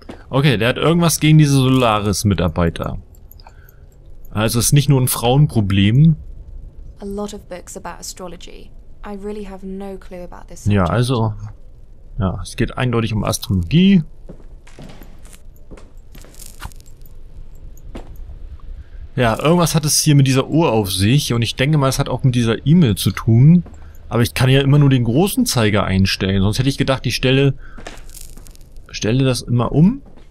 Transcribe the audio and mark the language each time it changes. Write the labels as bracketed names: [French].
[German] Okay, der hat irgendwas gegen diese Solaris-Mitarbeiter. Also es ist nicht nur ein Frauenproblem. [English] A lot of books about astrology. I really have no clue about this. [German] Ja, also. Ja, es geht eindeutig um Astrologie. Ja, irgendwas hat es hier mit dieser Uhr auf sich und ich denke mal, es hat auch mit dieser E-Mail zu tun. Aber ich kann ja immer nur den großen Zeiger einstellen. Sonst hätte ich gedacht, ich stelle das immer um.